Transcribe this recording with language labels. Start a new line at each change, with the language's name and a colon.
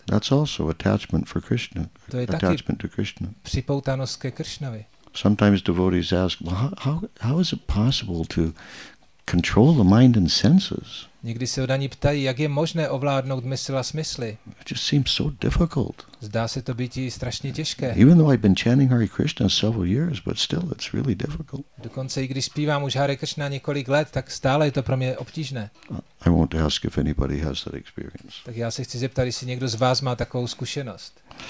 English: That's also attachment for Krishna.
Czech: To je
English: attachment
Czech: taky
English: to Krishna.
Czech: Připoutanost ke Krishnovi.
English: Sometimes devotees ask, well, how is it possible to control the mind and senses?
Czech: Někdy se oddaní ptají, jak je možné ovládnout mysl a smysly.
English: It just seems so difficult.
Czech: Zdá se to být strašně těžké.
English: Even though I've been chanting Hare Krishna several years, but still it's really difficult.
Czech: Dokonce i když zpívám už Hare Krishna několik let, tak stále je to pro mě obtížné.
English: I want to ask if anybody has that experience.
Czech: Tak já se chci zeptat, jestli někdo z vás má takovou zkušenost.